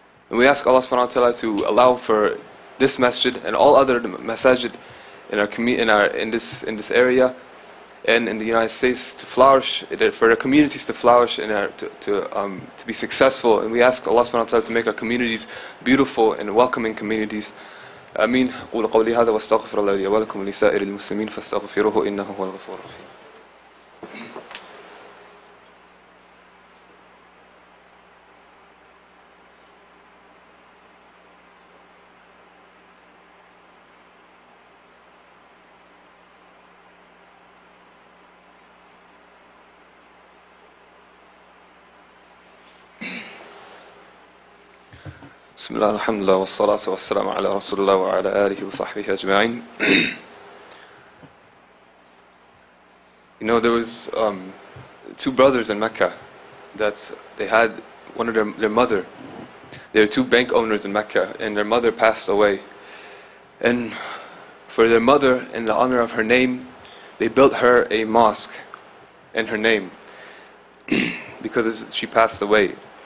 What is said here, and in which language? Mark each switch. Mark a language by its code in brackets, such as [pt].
[en] And we ask Allah subhanahu wa ta'ala to allow for this masjid and all other masajid in our in this area and in the United States to flourish, for our communities to flourish and to be successful. And we ask Allah subhanahu wa ta'ala to make our communities beautiful and welcoming communities. Ameen. [ar] قول قولي هذا واستغفر الله لي ولكم ولسائر المسلمين فاستغفروه إنه هو الغفور الرحيم. بسم الله الحمد لله والصلاة والسلام على رسول الله وعلى آله وصحبه أجمعين. [en] You know, there was two brothers in Mecca that they had one of their mother. They were two bank owners in Mecca, and their mother passed away. And for their mother, in the honor of her name, they built her a mosque in her name because she passed away.